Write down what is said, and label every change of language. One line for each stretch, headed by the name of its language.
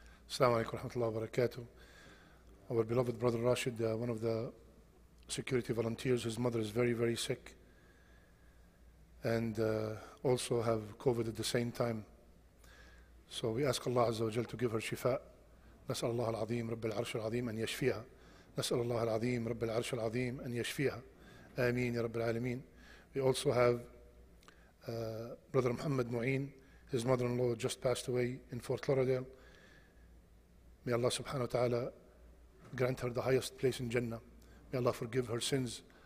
Arabic: السلام عليكم ورحمة الله وبركاته.
English: Our beloved brother Rashid, one of the security volunteers, his mother is very, very sick and also have COVID at the same time. So we ask Allah Azza wa Jal to give her shifa.
Arabic: نسأل الله العظيم رب العرش العظيم أن يشفيها. نسأل الله العظيم رب العرش العظيم أن يشفيها. آمين يا رب العالمين.
English: We also have brother Muhammad Mu'in, his mother-in-law just passed away in Fort Lauderdale. May Allah subhanahu wa ta'ala grant her the highest place in Jannah. May Allah forgive her sins.